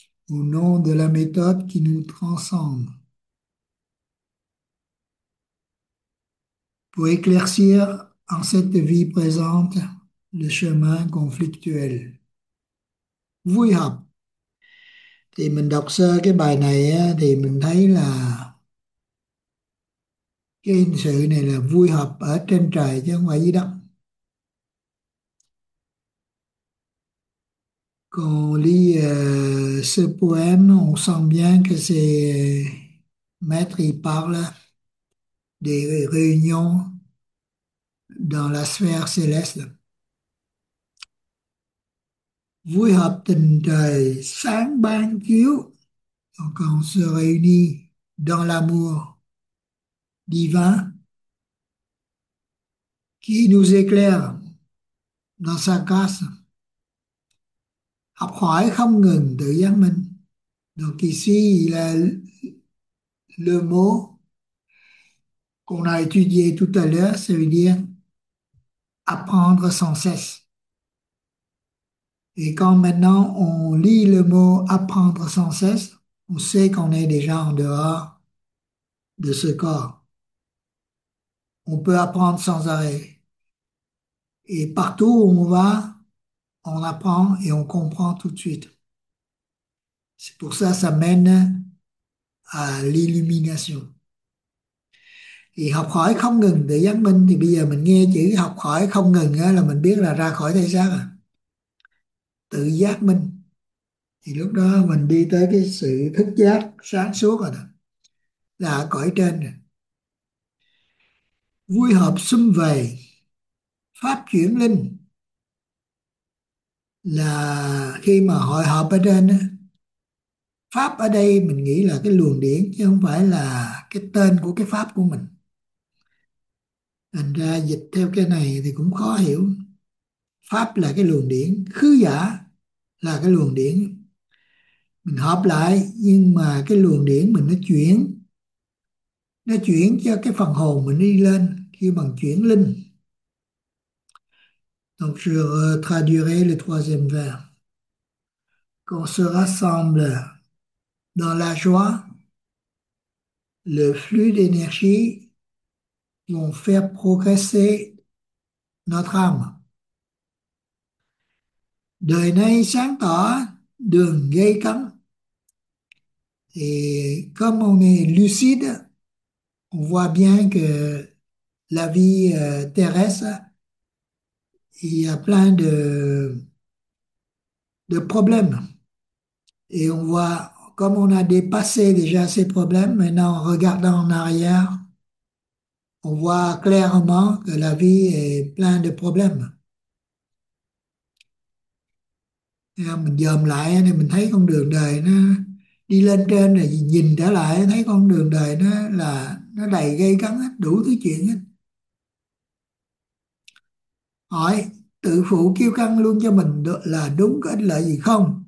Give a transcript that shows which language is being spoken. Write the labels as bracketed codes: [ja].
[fr] Au nom de la méthode qui nous transcende, pour éclaircir en cette vie présente le chemin conflictuel. [vi] Vui học. Thì mình đọc sơ cái bài này á, thì mình thấy là cái sự này là vui học ở trên trời chứ không phải dưới đất. [fr] Quand on lit ce poème, on sent bien que c'est Maître, il parle des réunions dans la sphère céleste. [vi] Vui hợp tình trời sáng ban chiếu, [fr] quand on se réunit dans l'amour divin qui nous éclaire dans sa grâce. [vi] Học hỏi không ngừng tự giác minh. [fr] Donc ici, le mot qu'on a étudié tout à l'heure, ça veut dire apprendre sans cesse. Et quand maintenant on lit le mot apprendre sans cesse, on sait qu'on est déjà en dehors de ce corps. On peut apprendre sans arrêt. Et partout où on va, on apprend et on comprend tout de suite. C'est pour ça que ça mène à l'illumination. [vi] Thì học hỏi không ngừng để giác minh, thì bây giờ mình nghe chữ học hỏi không ngừng á là mình biết là ra khỏi thể xác à. Tự giác minh. Thì lúc đó mình đi tới cái sự thức giác sáng suốt rồi đó. Là cõi trên rồi. Vui hợp sum về pháp chuyển linh là khi mà hội họp ở trên đó, pháp ở đây mình nghĩ là cái luồng điển chứ không phải là cái tên của cái pháp của mình. Thành ra dịch theo cái này thì cũng khó hiểu. Pháp là cái luồng điển, khứ giả là cái luồng điển. Mình họp lại nhưng mà cái luồng điển mình nó chuyển cho cái phần hồn mình đi lên khi bằng chuyển linh. [fr] Donc je traduirai le troisième vers. Qu'on se rassemble dans la joie, le flux d'énergie vont faire progresser notre âme. [vi] Đời nay sáng tỏ đường gay cấn. [fr] Et comme on est lucide, on voit bien que la vie terrestre, il y a plein de problèmes. Et on voit, comme on a dépassé déjà ces problèmes, maintenant en regardant en arrière, on voit clairement que la vie est pleine de problèmes. Et [vi] mình dòm lại thì mình thấy con đường đời nó đi lên trên rồi nhìn trở lại thấy con đường đời nó đầy gay cấn hết, đủ thứ chuyện hết. Hỏi tự phụ kiêu căng luôn cho mình là đúng có ích lợi gì không?